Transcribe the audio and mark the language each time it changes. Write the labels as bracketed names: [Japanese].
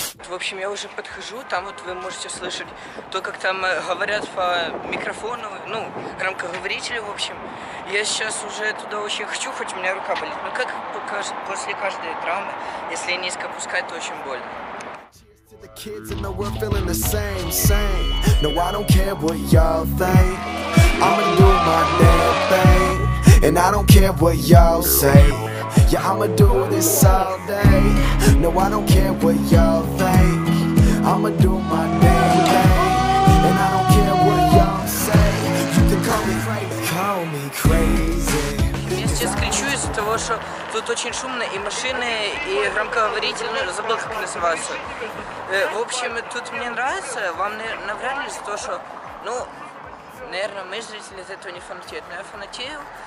[Russian] В общем, я уже подхожу. Там вот вы можете слышать то, как там говорят по микрофону. Ну, громкоговорителю, в общем. Я сейчас уже туда очень хочу, хоть у меня рука болит. Но как покажет после каждой травмы, если низко опускать, то очень больно. [English] The kids in the world feeling the same, same. No, I don't care what y'all think. I'ma do my damn thing. And I don't care what y'all say. Yeah, I'ma do this all day. No, I don't care what y'all think. I'ma do my damn thing. And I don't care what y'all say. You can call me crazy. Call me crazy. [Russian] Из-за того, что тут очень шумно, и машины, и громкоговоритель, ну, забыл, как называется. В общем, тут мне нравится, вам навряд ли из-за того, что, ну, наверное, мы, зрители, из этого не фанатеют, но я фанатею.